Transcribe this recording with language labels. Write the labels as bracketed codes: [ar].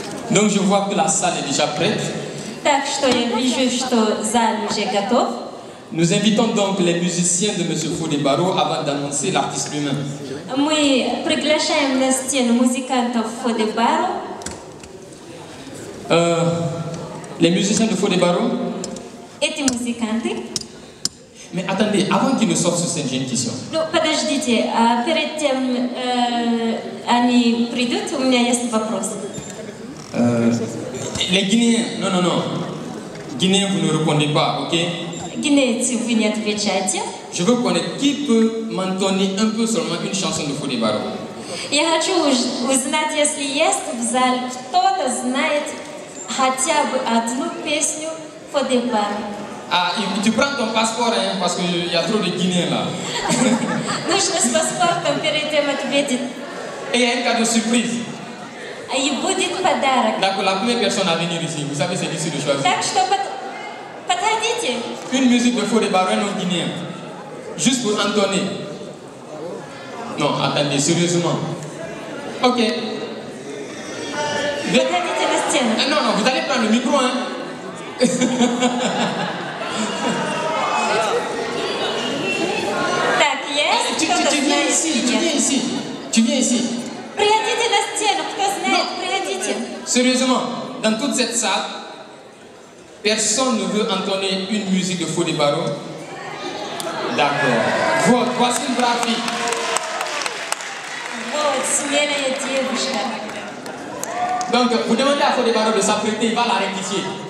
[fr] Donc je vois que la salle est déjà prête. [ru] Так что я вижу, что зал уже готов. [fr] Nous invitons donc les musiciens de Monsieur Fou de Barreau avant d'annoncer l'artiste lui-même. [ru] Мы приглашаем на сцену музыкантов Фу де Барро. [fr] Les musiciens de Fou de Barreau. [ru] Эти музыканты. [fr] Mais attendez, avant qu'ils ne sortent sur scène, j'ai une question. [ru] Ну, подождите, перед тем, они придут, у меня есть вопрос. [fr] Les Guinéens, non. Guinéens, vous ne répondez pas, ok? Guinéens, vous ne [ru] отвечаете. [fr] Je veux connaître qui peut m'entonner un peu seulement une chanson de Fou de Barreau. [ru] Я хочу узнать, если есть в зале кто-то знает хотя бы одну песню Fou de Barreau. [fr] Ah, tu prends ton passeport, hein, parce qu'il y a trop de Guinéens là. [ru] Нужно с паспортом перед тем ответить. [fr] Et il y a un cadeau surprise. [ru] И будет подарок. [fr] D'accord, la première personne à venir ici, vous savez, c'est difficile de choisir. [ru] Так что подходите. [fr] Une musique de Fou de Barreau, un autre Guinéen. Juste pour entonner. Non, attendez, sérieusement. Ok. [ru] Подходите на сцену. [fr] Non, vous allez prendre le micro, hein. [ru] Так, есть кто-то знает. [fr] Tu viens ici. [ru] Приходите на сцену, кто знает, приходите. [fr] Sérieusement, dans toute cette salle, personne ne veut entonner une musique de Fou de Barreau. D'accord. Voici une brave fille. [ru] Вот, смелая девушка. [fr] Donc, vous demandez à Fou de Barreau de s'apprêter, il va la rectifier.